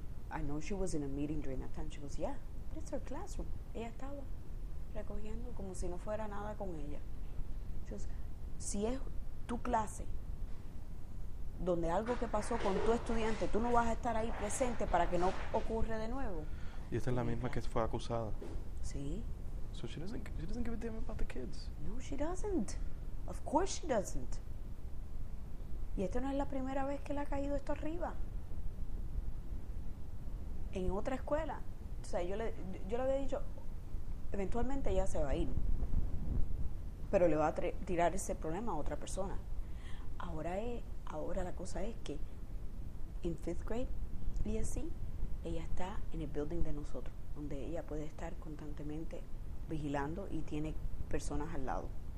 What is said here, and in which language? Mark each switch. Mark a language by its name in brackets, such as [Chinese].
[English] I know she was in a meeting during that time. She goes, yeah, but it's her classroom. [Spanish] Ella estaba recogiendo como si no fuera nada con ella. [English] She goes, [Spanish] si es tu clase, donde algo que pasó con tu estudiante, tú no vas a estar ahí presente para que no ocurra de nuevo. Y esta es la misma que fue acusada. Sí. [English] So she doesn't give a damn about the kids. No, she doesn't. Of course she doesn't. [Spanish] Y esta no es la primera vez que le ha caído esto arriba. En otra escuela. O sea, yo le había dicho, eventualmente ella se va a ir. Pero le va a tirar ese problema a otra persona. Ahora la cosa es que en [English] fifth grade, [Spanish] y así, ella está en el building de nosotros, donde ella puede estar constantemente vigilando y tiene personas al lado.